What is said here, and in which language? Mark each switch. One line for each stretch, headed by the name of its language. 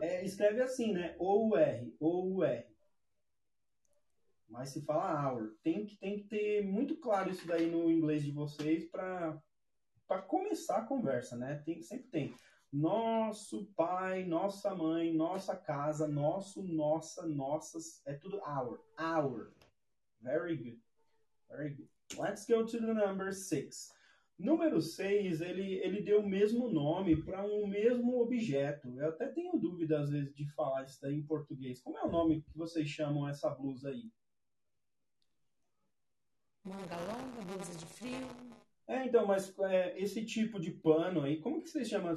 Portuguese: É, escreve assim, né? O-U-R, O-U-R. Mas se fala our. Tem que ter muito claro isso daí no inglês de vocês para começar a conversa, né? Sempre tem. Nosso pai, nossa mãe, nossa casa, nosso, nossa, nossas. É tudo
English: our, our. Very good, very good. Let's go to the number six.
Portuguese: Número 6, ele deu o mesmo nome para um mesmo objeto. Eu até tenho dúvida, às vezes, de falar isso daí em português. Como é o nome que vocês chamam essa blusa aí? Manga longa, blusa de frio. É, então, mas é, esse tipo de pano aí, como que vocês chamam?